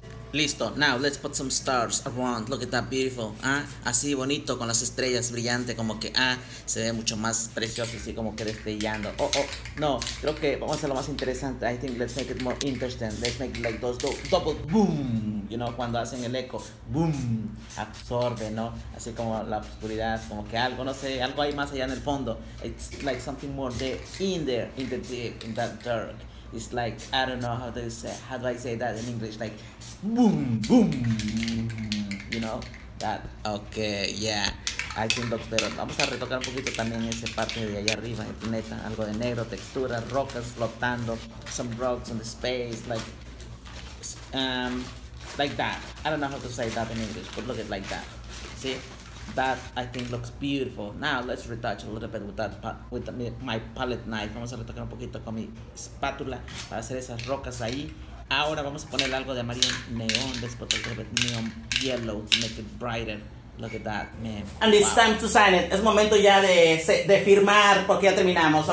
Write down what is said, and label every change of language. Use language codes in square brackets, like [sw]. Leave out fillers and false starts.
[es] Listo, [en] now let's put some stars around. Look at that beautiful, [es] así bonito con las estrellas brillante, como que se ve mucho más precioso, así como que destellando. No, creo que vamos a hacer lo más interesante. [en] I think let's make it more interesting. Let's make it like those double boom, you know, [es] cuando hacen el eco, boom, absorbe, ¿no? Así como la oscuridad, como que algo, no sé, algo hay más allá en el fondo. [en] It's like something more there, in there, in the deep, in that dark. It's like, I don't know how to say, how do I say that in English, like, boom, boom, you know, that, okay, yeah, I think looks better. [es] Vamos a retocar un poquito también esa parte de allá arriba, el planeta, algo de negro, textura, rocas flotando, [en] some rocks in the space, like that, I don't know how to say that in English, but look at like that, see, That I think looks beautiful. Now let's retouch a little bit with that my palette knife. [es] Vamos a retocar un poquito con mi espátula para hacer esas rocas ahí. Ahora vamos a poner algo de amarillo neón. [en] Let's put a little bit neon yellow to make it brighter. Look at that, man. And it's time to sign it. [es] Es momento ya de firmar porque ya terminamos.